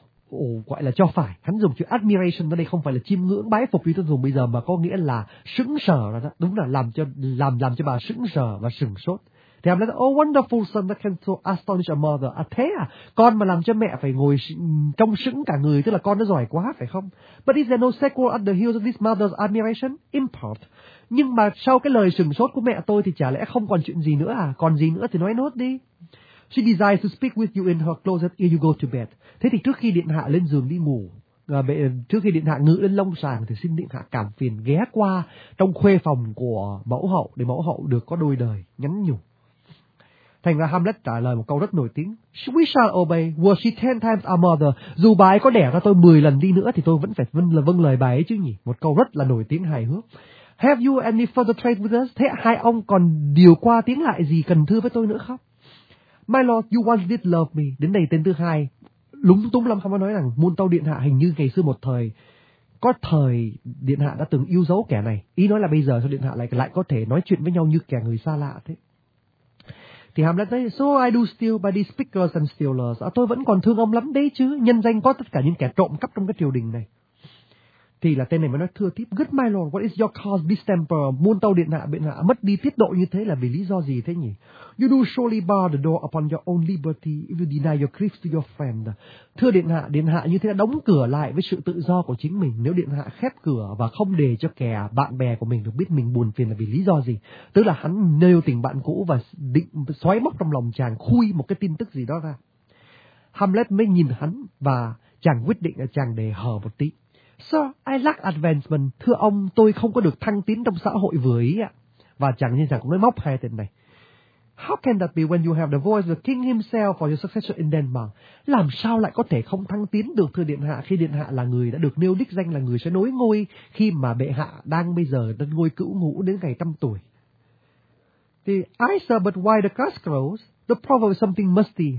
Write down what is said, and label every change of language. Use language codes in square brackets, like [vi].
[vi] Ồ, gọi là cho phải. Hắn dùng chữ admiration ở đây không phải là chiêm ngưỡng bái phục như tôi dùng bây giờ, mà có nghĩa là sững sờ. Đúng là làm cho bà sững sờ và sửng sốt. Thì [en] Hamlet, oh wonderful son that can so astonish a mother. [vi] À thế à, con mà làm cho mẹ phải ngồi trong sững cả người, tức là con nó giỏi quá phải không? [en] But is there no sequel at the heels of this mother's admiration? Import. [vi] Nhưng mà sau cái lời sửng sốt của mẹ tôi thì chả lẽ không còn chuyện gì nữa à? Còn gì nữa thì nói nốt đi. [en] She desires to speak with you in her closet ere you go to bed. [vi] Thế thì trước khi điện hạ lên giường đi ngủ, trước khi điện hạ ngự lên long sàng, thì xin điện hạ cảm phiền ghé qua trong khuê phòng của mẫu hậu để mẫu hậu được có đôi đời nhắn nhủ. Thành ra Hamlet trả lời một câu rất nổi tiếng. [en] We shall obey, were she 10 times our mother. [vi] Dù bà ấy có đẻ ra tôi 10 lần đi nữa thì tôi vẫn phải vâng lời bà ấy chứ nhỉ. Một câu rất là nổi tiếng hài hước. [en] Have you any further trade with us? [vi] Thế hai ông còn điều qua tiếng lại gì cần thưa với tôi nữa không? [en] My lord, you once did love me. [vi] Đến đây tên thứ hai. Lúng túng lắm, không có nói rằng môn tâu điện hạ hình như ngày xưa một thời. Có thời điện hạ đã từng yêu dấu kẻ này. Ý nói là bây giờ sao điện hạ lại có thể nói chuyện với nhau như kẻ người xa lạ thế. Thì Hamlet nói, [en] so I do steal by these pickers and stealers. [vi] À, tôi vẫn còn thương ông lắm đấy chứ, nhân danh có tất cả những kẻ trộm cắp trong cái triều đình này. Thì là tên này mới nói thưa tiếp, [en] good my lord, what is your cause distemper? [vi] Muôn tâu điện hạ, biện hạ mất đi tiết độ như thế là vì lý do gì thế nhỉ? [en] You do surely bar the door upon your own liberty if you deny your griefs to your friend. [vi] Thưa điện hạ như thế là đóng cửa lại với sự tự do của chính mình. Nếu điện hạ khép cửa và không để cho kẻ bạn bè của mình được biết mình buồn phiền là vì lý do gì? Tức là hắn nêu tình bạn cũ và định xoáy móc trong lòng chàng khui một cái tin tức gì đó ra. Hamlet mới nhìn hắn và chàng quyết định là chàng để hờ một tí. [en] Sir, I lack advancement. [vi] Thưa ông, tôi không có được thăng tiến trong xã hội vừa ý ạ. Và chàng như chàng cũng nói móc hai tên này. [en] How can that be when you have the voice of the king himself for your successor in Denmark? [vi] Làm sao lại có thể không thăng tiến được thưa điện hạ khi điện hạ là người đã được nêu đích danh là người sẽ nối ngôi khi mà bệ hạ đang bây giờ đến ngôi cữu ngũ đến ngày trăm tuổi? Thì [en] I sir, but why the grass grows? The proverb is something musty.